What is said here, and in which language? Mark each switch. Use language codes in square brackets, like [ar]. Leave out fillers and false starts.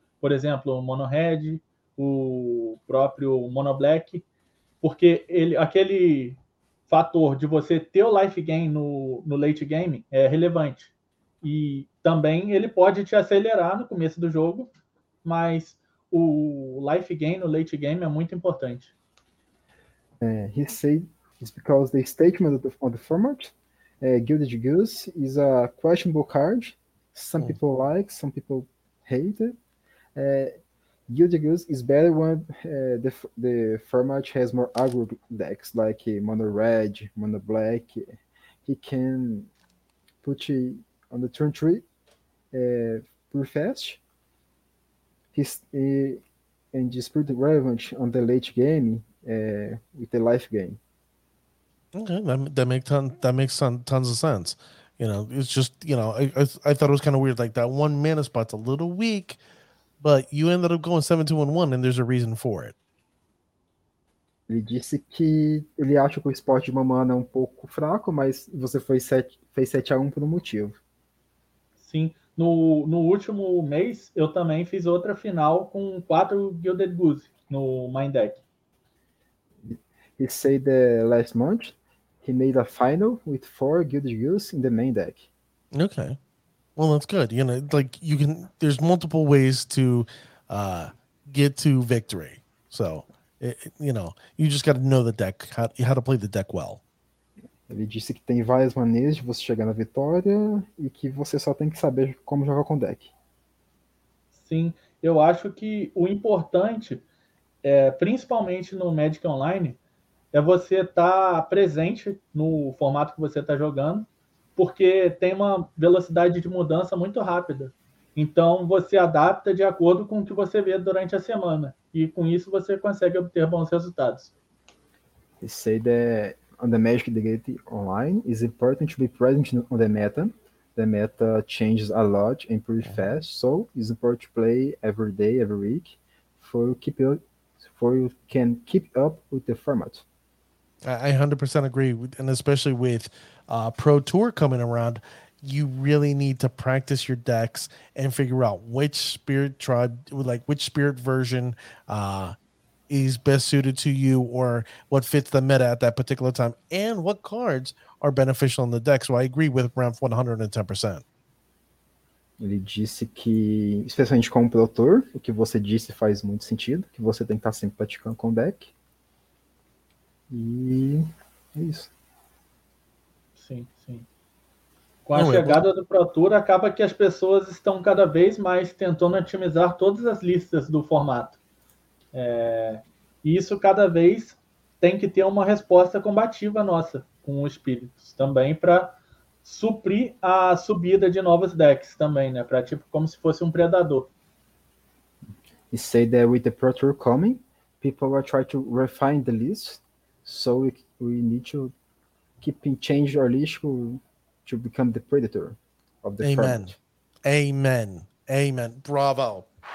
[pt] Por exemplo, o Mono Red, o próprio Mono Black, porque aquele fator de você ter o life gain no late game é relevante. E também ele pode te acelerar no começo do jogo, mas o life gain no late game é muito importante. [en] He said is because the statement of the format, Gilded Goose, is a questionable card. Some people like, some people hate it. Gilded Goose is better when the format has more aggro decks, like Mono Red, Mono Black. He can put you on the turn three pretty fast. And he's pretty relevant on the late game with the life gain. Okay, that makes tons of sense. You know, it's just, you know, I thought it was kind of weird. Like, that one mana spot's a little weak, but you ended up going 7-2-1-1, and there's a reason for it. [pt] Ele disse que ele acha que o spot de uma mana é um pouco fraco, mas você fez 7-1 por um motivo. Sim. No último mês, eu também fiz outra final com 4 Gilded Goose no Mind Deck. [en] He said that last month he made a final with 4 Gilded Goose in the main deck. Okay. Well, that's good. You know, like, you can, there's multiple ways to get to victory. So, you know, you just got to know the deck, how to play the deck well. [pt] Ele disse que tem várias maneiras de você chegar na vitória e que você só tem que saber como jogar com deck. Sim, eu acho que o importante, principalmente no Magic Online, é você estar presente no formato que você está jogando, porque tem uma velocidade de mudança muito rápida. Então, você adapta de acordo com o que você vê durante a semana. E com isso, você consegue obter bons resultados. Essa ideia... [en] On the Magic the Gate Online, it's important to be present on the meta. The meta changes a lot and pretty fast, so it's important to play every day, every week, for you can keep up with the format. I 100% agree, and especially with Pro Tour coming around, you really need to practice your decks and figure out which spirit tribe, like which spirit version, is best suited to you, or what fits the meta at that particular time, and what cards are beneficial in the deck. So I agree with Ramf 110%. [pt] Ele disse que, especialmente como Pro Tour, o que você disse faz muito sentido, que você tem que estar sempre praticando com o deck. E é isso. Sim, sim. Com a chegada do Pro Tour, acaba que as pessoas estão cada vez mais tentando otimizar todas as listas do formato. Isso cada vez tem que ter uma resposta combativa nossa com os espíritos também para suprir a subida de novos decks também, né? Para tipo como se fosse um predador. [en] He said that with the Pro Tour coming, people are trying to refine the list, so we need to keep in change our list to become the predator of the Amen. Front. Amen. Amen. Bravo.